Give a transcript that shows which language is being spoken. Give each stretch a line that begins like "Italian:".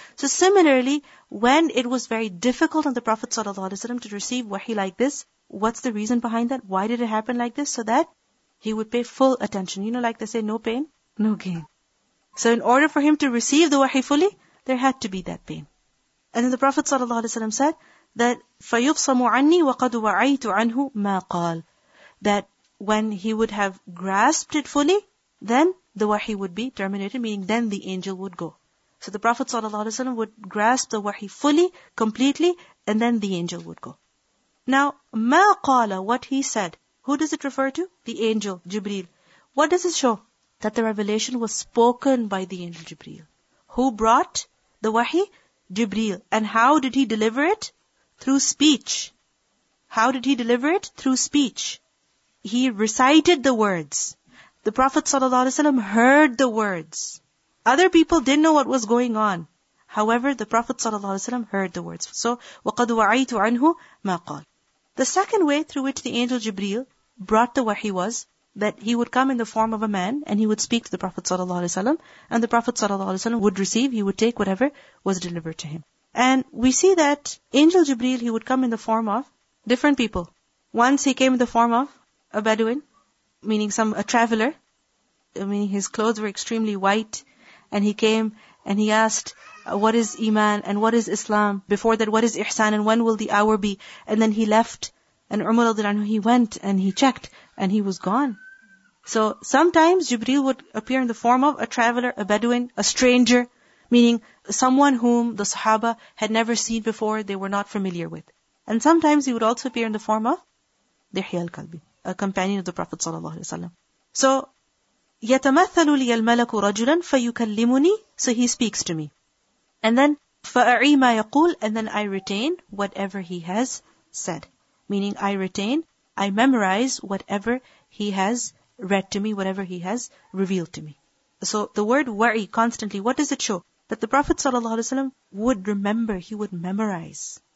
English: So similarly, when it was very difficult on the Prophet ﷺ to receive wahi like this, what's the reason behind that? Why did it happen like this? So that he would pay full attention. You know, like they say, no pain, no gain. So in order for him to receive the wahi fully, there had to be that pain. And then the Prophet ﷺ said that
Arabic: فَيُبْصَمُ عَنِّي وَقَدْ وَعَيْتُ عَنْهُ مَا قَالَ.
English: That when he would have grasped it fully, then the wahi would be terminated, meaning then the angel would go. So the Prophet ﷺ would grasp the wahi fully, completely, and then the angel would go. Now,
Arabic: مَا قَالَ,
English: what he said, who does it refer to? The angel, Jibreel. What does it show? That the revelation was spoken by the angel Jibreel. Who brought the wahi? Jibreel. And how did he deliver it? Through speech. How did he deliver it? Through speech. He recited the words. The Prophet ﷺ heard the words. Other people didn't know what was going on. However, the Prophet ﷺ heard the words. So,
Arabic: وَقَدْ وَعَيْتُ عَنْهُ مَا قَالَ.
English: The second way through which the angel Jibreel brought the wahi was that he would come in the form of a man and he would speak to the Prophet ﷺ, and the Prophet ﷺ would receive, he would take whatever was delivered to him. And we see that angel Jibreel, he would come in the form of different people. Once he came in the form of a Bedouin, meaning a traveler, meaning his clothes were extremely white, and he came and he asked, what is Iman and what is Islam? Before that, what is Ihsan and when will the hour be? And then he left, and Umar radiallahu anhu, he went and he checked and he was gone. So sometimes Jibreel would appear in the form of a traveler, a Bedouin, a stranger, meaning someone whom the Sahaba had never seen before, they were not familiar with. And sometimes he would also appear in the form of Dihya al-Kalbi, a companion of the Prophet sallallahu alaihi wasallam. So
Arabic: يَتَمَثَّلُ لِيَ الْمَلَكُ رَجُلًا فَيُكَلِّمُنِي.
English: So he speaks to me. And then
Arabic: فَأَعِي مَا يَقُولُ.
English: And then I retain whatever he has said. Meaning I retain, I memorize whatever he has read to me, whatever he has revealed to me. So the word wa'i constantly, what does it show? That the Prophet ﷺ would remember, he would memorize.